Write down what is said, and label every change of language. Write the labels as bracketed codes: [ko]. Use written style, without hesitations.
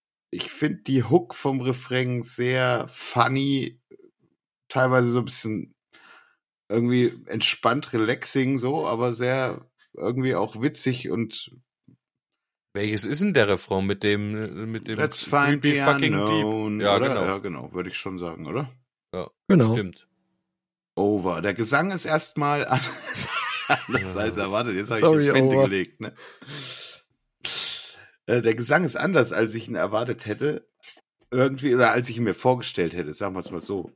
[de] Ich finde die Hook vom Refrain sehr funny, teilweise so ein bisschen irgendwie entspannt, relaxing so, aber sehr irgendwie auch witzig. Und welches ist denn der Refrain mit dem [en] Let's find the fucking unknown, deep? [de] Ja, genau, würde ich schon sagen, oder? Ja, genau. Stimmt. [en] Over. [de] Der Gesang ist erstmal anders als erwartet. Jetzt habe ich die Finte gelegt. Ne? Der Gesang ist anders, als ich ihn erwartet hätte. Irgendwie, oder als ich ihn mir vorgestellt hätte. Sagen wir es mal so.